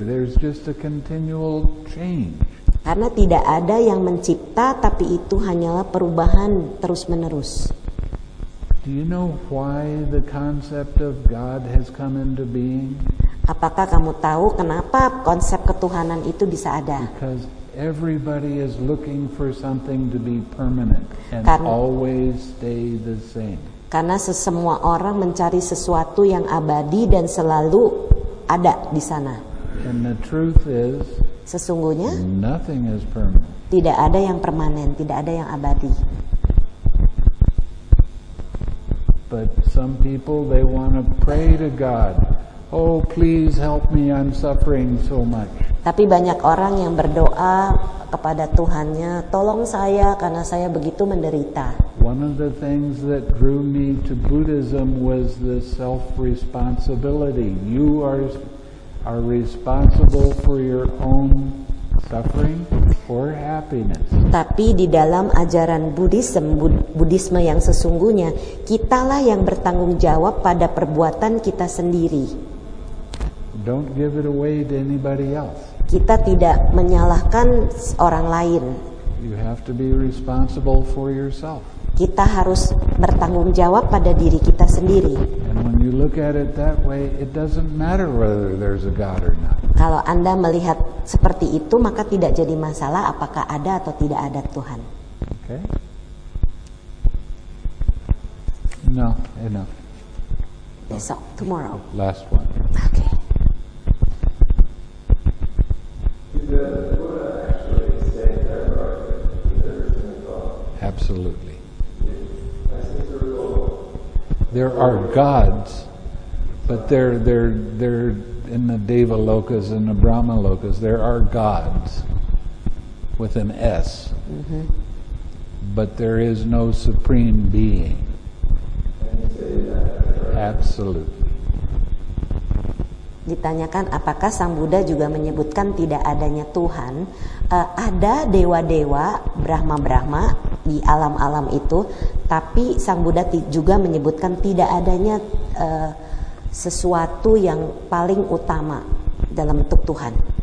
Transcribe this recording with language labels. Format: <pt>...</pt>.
<en>There's just a continual change.</en> <id>Karena tidak ada yang mencipta, tapi itu hanyalah perubahan terus-menerus.</id> <en>Do you know why the concept of God has come into being?</en> <id>Apakah kamu tahu kenapa konsep ketuhanan itu bisa ada?</id> <en>Because everybody is looking for something to be permanent and karena, always stay the same.</en> <id>Karena semua orang mencari sesuatu yang abadi dan selalu ada di sana.</id> <en>And the truth is,</en> <id>sesungguhnya</id> <en>nothing is permanent.</en> <id>Tidak ada yang permanen, tidak ada yang abadi.</id> <en>But some people, they want to pray to God, "Oh, please help me, I'm suffering so much."</en> <id>Tapi banyak orang yang berdoa kepada Tuhannya, "Tolong saya karena saya begitu menderita."</id> <en>One of the things that drew me to Buddhism was the self-responsibility. You are responsible for your own suffering or happiness.</en> <id>Tapi di dalam ajaran Buddhisme yang sesungguhnya, kitalah yang bertanggung jawab pada perbuatan kita sendiri.</id> <en>Don't give it away to anybody else.</en> <id>Kita tidak menyalahkan orang lain.</id> <en>You have to be responsible for yourself.</en> <id>Kita harus bertanggung jawab pada diri kita sendiri.</id> <en>And when you look at it that way, it doesn't matter whether there's a God or not.</en> <id>Kalau Anda melihat seperti itu, maka tidak jadi masalah apakah ada atau tidak ada Tuhan.</id> <en>Okay. No, enough.</en> <id>Besok,</id> <en>tomorrow. Last one. Okay. Absolutely. There are gods, but they're in the Devalokas and the Brahmalokas. There are gods with an S, but there is no supreme being. Absolutely.</en> <id>Ditanyakan apakah Sang Buddha juga menyebutkan tidak adanya Tuhan, ada dewa-dewa, Brahma-Brahma di alam-alam itu, tapi Sang Buddha juga menyebutkan tidak adanya sesuatu yang paling utama dalam bentuk Tuhan.</id>